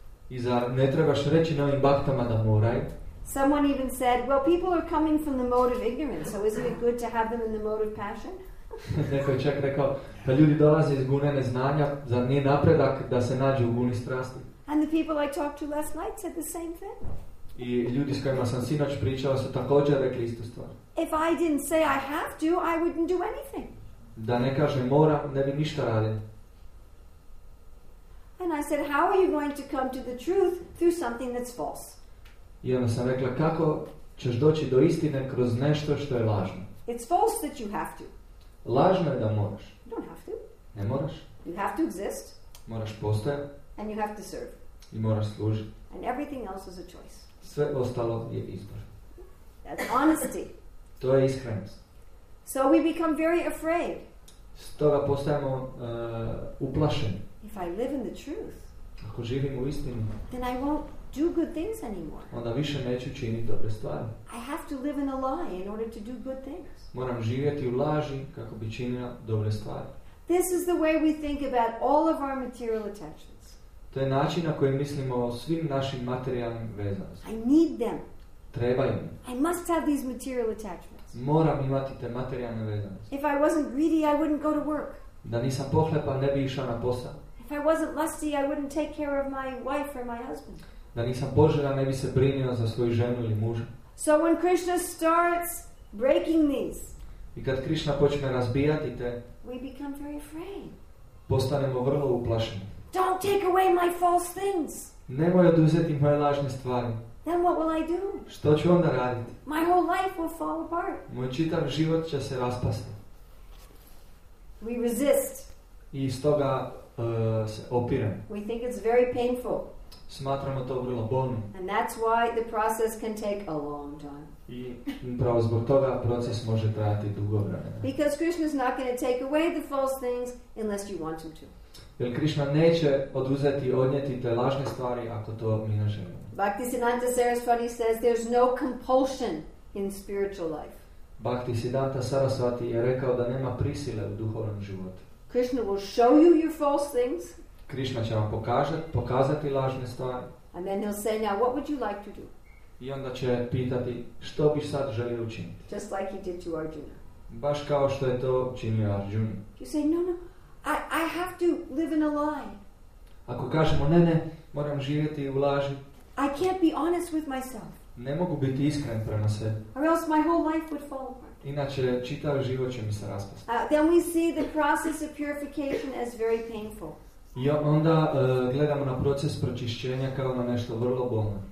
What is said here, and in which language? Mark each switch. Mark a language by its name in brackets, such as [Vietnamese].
[Croatian] I zar ne trebaš reći novim baktama da moraju? [English] Someone even said, well, people are coming from the mode of ignorance, so isn't it good to have them in the mode of passion? [Croatian] Neko je čak rekao, pa ljudi dolaze iz gune neznanja, zar nije napredak da se nađu u guni strasti? [English] And the people I talked to last night said the same thing. [Croatian] I ljudi s kojima sam sinoć pričao su također rekli istu stvar. [English] If I didn't say I have to, I wouldn't do anything. [Croatian] Da ne kažem mora, ne bi ništa radio. [English] And I said, how are you going to come to the truth through something that's false? [Croatian] I onda sam rekla, kako ćeš doći do istine kroz nešto što je lažno? [English] It's false that you have to. [Croatian] Lažno je da moraš. [English] You don't have to. [Croatian] Ne moraš. [English] You have to exist. [Croatian] Moraš postojati. [English] And you have to serve. [Croatian] I moraš služiti. [English] And everything else is a choice. [Croatian] Sve ostalo je izbor. [English] That's honesty. [Croatian] To je iskrenost. [English] So we become very afraid. [Croatian] Stoga postajemo uplašeni. [English] If I live in the truth, [Croatian] ako živim u istinu, [English] then I won't do good things anymore. [Croatian] Onda više neću činiti dobre stvari. [English] I have to live in a lie in order to do good things. [Croatian] Moram živjeti u laži kako bi činio dobre stvari. [English] This is the way we think about all of our material attachments. [Croatian] To je način na koji mislimo o svim našim materijalnim vezama. [English] I need them. [Croatian] Trebaju mi. [English] I must have these material attachments. [Croatian] Moram imati te materijalne vezama. [English] If I wasn't greedy, I wouldn't go to work. [Croatian] Da nisam pohlepan, ne bi išao na posao. [English] If I wasn't lusty, I wouldn't take care of my wife or my husband. [Croatian] Da nisam poželjan, ne bi se brinio za svoju ženu ili muža. [English] So when Krishna starts breaking these, [Croatian] i kad Krishna počne razbijati te, [English] we become very afraid. [Croatian] Postanemo vrlo uplašeni. [English] Don't take away my false things. [Croatian] Nemoj oduzeti moje lažne stvari. [English] Then what will I do? [Croatian] Što ću onda raditi? [English] My whole life will fall apart. [Croatian] Moj čitav život će se raspasti. [English] We resist. [Croatian] I stoga se opirem. [English] We think it's very painful. [Croatian] Smatramo to vrlo bolno. [English] And that's why the process can take a long time. [Croatian] I upravo zbog toga proces može trajati dugo vremena. [English] Because Krishna is not going to take away the false things unless you want him to. [Croatian] Jer Krishna neće oduzeti i odnijeti te lažne stvari ako to mi ne želimo. [English] Bhaktisiddhanta Saraswati says there's no compulsion in spiritual life. [Croatian] Bhaktisiddhanta Saraswati je rekao da nema prisile u duhovnom životu. [English] Krishna will show you your false things. [Croatian] Krishna će vam pokazati lažne stvari. [English] And then he'll say, now what would you like to do? [Croatian] I onda će pitati, što bi sad želio učiniti? [English] Just like he did to Arjuna. [Croatian] Baš kao što je to učinio Arjuna. [English] You say, no, I have to live in a lie. [Croatian] Ako kažemo, ne, moram živjeti u laži. [English] I can't be honest with myself. [Croatian] Ne mogu biti iskren prema sebi. [English] Or else my whole life would fall apart. [Croatian] Inače, čitav život će mi se raspasti. [English] Then we see the process of purification as very painful. [Croatian] I onda gledamo na proces pročišćenja kao na nešto vrlo bolno.